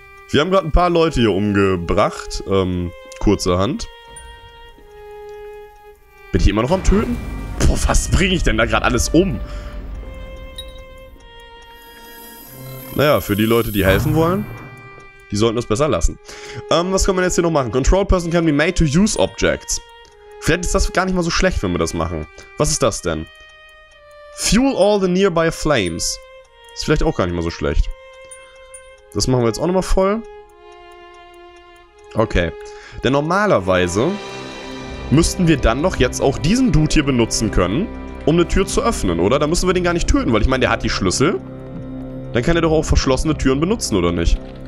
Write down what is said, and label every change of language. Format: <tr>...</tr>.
<de>Wir haben gerade ein paar Leute hier umgebracht. Kurzerhand. Bin ich immer noch am Töten? Boah, was bringe ich denn da gerade alles um? Naja, für die Leute, die helfen wollen, die sollten das besser lassen. Was können wir jetzt hier noch machen?</de> <en>Control Person can be made to use objects.</en> <de>Vielleicht ist das gar nicht mal so schlecht, wenn wir das machen. Was ist das denn?</de> <en>Fuel all the nearby flames.</en> <de>Ist vielleicht auch gar nicht mal so schlecht. Das machen wir jetzt auch nochmal voll. Okay. Denn normalerweise müssten wir dann doch jetzt auch diesen Dude hier benutzen können, um eine Tür zu öffnen, oder? Da müssen wir den gar nicht töten, weil ich meine, der hat die Schlüssel. Dann kann er doch auch verschlossene Türen benutzen, oder nicht?</de>